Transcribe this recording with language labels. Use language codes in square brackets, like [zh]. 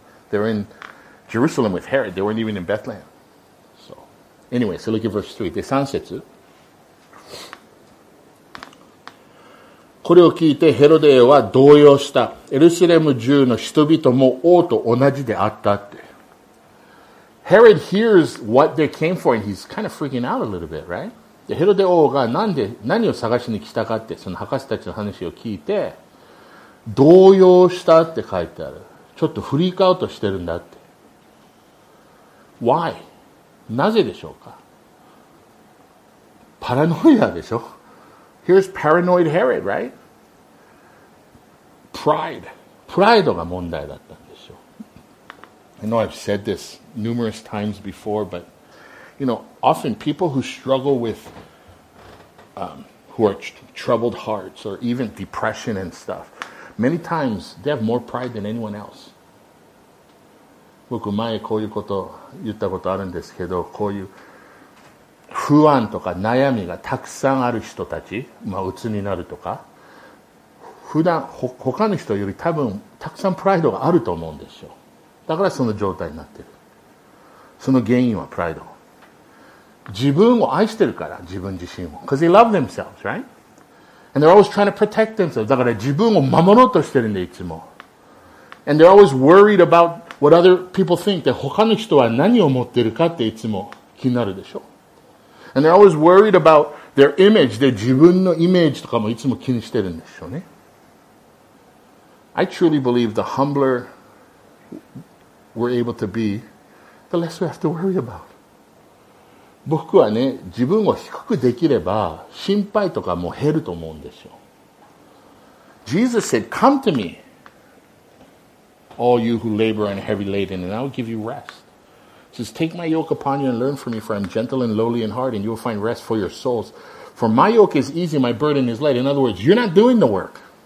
[en] They were in Jerusalem with Herod. They weren't even in Bethlehem. So, anyway, so look at verse 3. [ja] で、3節。これを聞いてヘロデは動揺した。エルサレム中の人々も王と同じであったって。 [en] Herod hears what they came for and he's kind of freaking out a little bit, right? [ja] で、ヘロデ王がなんで何を探しに来たかってその博士たちの話を聞いて動揺したって書いてある。ちょっとフリークアウトしてるんだって。 [en] Why? [ja] なぜでしょうか。パラノイアでしょ。 [en] Here's paranoid Herod, right? Pride. [ja] プライドが問題だったんでしょう。 [en] I know I've said this numerous times before, but you know, often people who struggle with who are troubled hearts or even depression and stuff, many times they have more pride than anyone else. [ja] 僕前こういうこと言ったことあるんですけど、こういう不安とか悩みがたくさんある人たち、まあ鬱になるとか、普段他の人より多分たくさんプライドがあると思うんですよ。だからその状態になってる。その原因はプライド。自分を愛してるから、自分自身を。 [en] Because they love themselves, right? And they're always trying to protect themselves. [ja] だから自分を守ろうとしてるんで、いつも。 [en] And they're always worried about what other people think. [ja] で、他の人は何を持ってるかっていつも気になるでしょ。 [en] And they're always worried about their image. [ja] で、自分のイメージとかもいつも気にしてるんでしょうね。 [en] I truly believe the humbler we're able to be, the less we have to worry about. [ja] 僕はね、自分を低くできれば心配とかも減ると思うんですよ。 [en] Jesus said, come to me, all you who labor and are heavy laden, and I will give you rest. He says, take my yoke upon you and learn from me, for I am gentle and lowly in heart, and you will find rest for your souls. For my yoke is easy, my burden is light. In other words, you're not doing the work.